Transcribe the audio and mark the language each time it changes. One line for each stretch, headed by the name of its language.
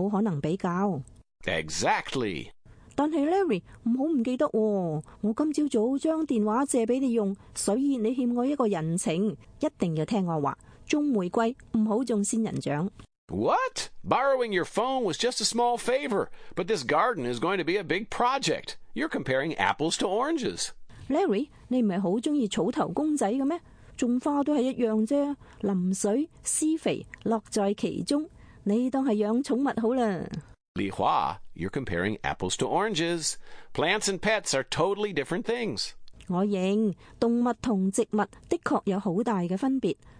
Chinese: 就是说,虽然两个人都是演员,但是一个演喜剧的电影,另外一个是演莎士比亚大戏的,两个人不可能比较。Exactly. 但是Larry,不要忘记,我今早将电话借给你用,所以你欠我一个人情,一定要听我话。
English: What? Borrowing your phone was just a small favor, but this garden is going to be a big project. You're comparing apples to oranges.
Chinese: Larry, 你不是很喜欢草头公仔的吗? 种花都是一样的,淋水,施肥,乐在其中, 你当是养宠物好了。
English: Li Hua, you're comparing apples to oranges. Plants and pets are totally different things.
Chinese: 我认,动物和植物的确有很大的分别。